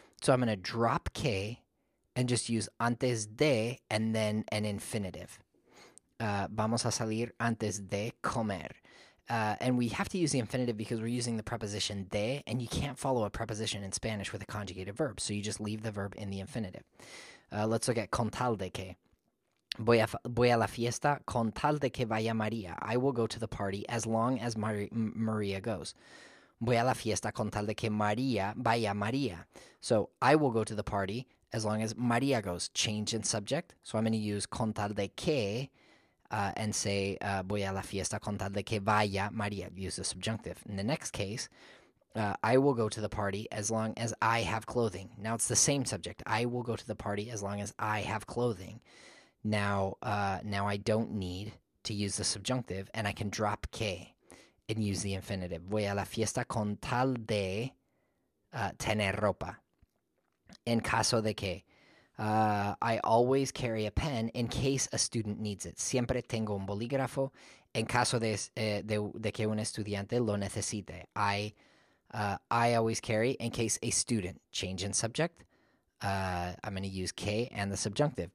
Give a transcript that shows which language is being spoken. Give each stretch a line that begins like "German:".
English: So I'm going to drop K and just use antes de and then an infinitive.
Spanish: Vamos a salir antes de comer.
English: And we have to use the infinitive because we're using the preposition de, and you can't follow a preposition in Spanish with a conjugated verb. So you just leave the verb in the infinitive. Let's look at con tal de que.
Spanish: Voy a la fiesta con tal de que vaya María.
English: I will go to the party as long as María goes.
Spanish: Voy a la fiesta con tal de que María vaya María.
English: So I will go to the party as long as María goes. Change in subject. So I'm going to use con tal de que. And say,
Spanish: voy a la fiesta con tal de que vaya María.
English: Use the subjunctive. In the next case, I will go to the party as long as I have clothing. Now it's the same subject. I will go to the party as long as I have clothing. Now I don't need to use the subjunctive, and I can drop que and use the infinitive.
Spanish: Voy a la fiesta con tal de tener ropa. En caso de que.
English: I always carry a pen in case a student needs it.
Spanish: Siempre tengo un bolígrafo en caso de que un estudiante lo necesite.
English: I always carry in case a student. Change in subject. I'm going to use que and the subjunctive.